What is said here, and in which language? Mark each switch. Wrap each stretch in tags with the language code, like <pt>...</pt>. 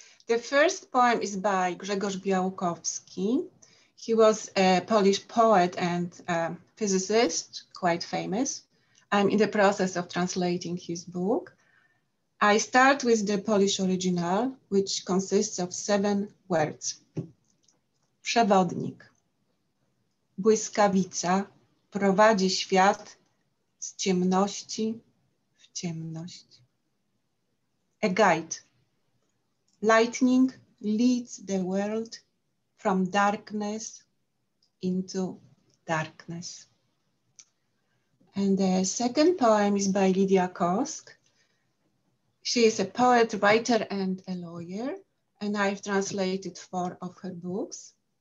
<en>The first poem is by Grzegorz Białkowski. He was a Polish poet and physicist, quite famous. I'm in the process of translating his book. I start with the Polish original, which consists of 7 words.</en> <pl>Przewodnik. Błyskawica prowadzi świat z ciemności w ciemność.</pl> <en>A guide. Lightning leads the world from darkness into darkness. And the second poem is by Lydia Kosk. She is a poet, writer, and a lawyer, and I've translated 4 of her books.</en>